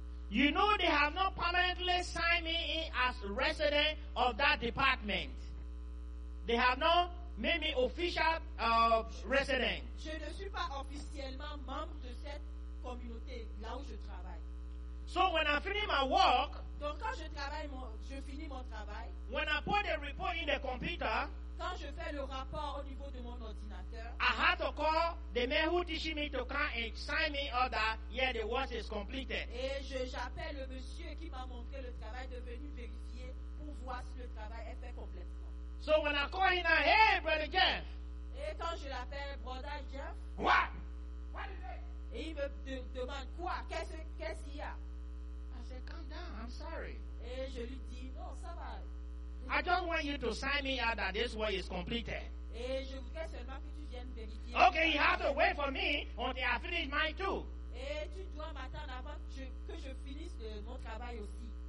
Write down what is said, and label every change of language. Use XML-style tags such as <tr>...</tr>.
<en>You know they have not permanently signed me in as resident of that department. They have not made me official resident.</en> <fr>Je ne suis pas officiellement membre de cette communauté là où je travaille.</fr> <en>So when I finish my work,</en> <fr>donc quand je finis mon travail,</fr> <en>when I put the report in the computer,</en> <fr>quand je fais le rapport au niveau de mon ordinateur,</fr> <en>I had to call the man who teaching me to come and sign me all that, yeah, the work is completed.</en> <fr>Et j'appelle le monsieur qui m'a montré le travail de venir vérifier pour voir si le travail est fait complètement.</fr> <en>So when I call him, hey, brother Jeff.</en> <fr>Et quand je l'appelle,</fr> <en>brother Jeff. What? What is it?</en> <fr>Et il me demande quoi? Qu'est-ce qu'il y a?</fr> <en>Calm down, I'm sorry.</en> <fr>Et je lui dis, non, ça va.</fr> <en>I don't want you to sign me out that this work is completed.</en> <fr>Et je voudrais seulement que tu viennes vérifier.</fr> <en>Okay, you have to wait for me until I finish mine too.</en> <fr>Et tu dois m'attendre avant que je finisse mon travail aussi.</fr>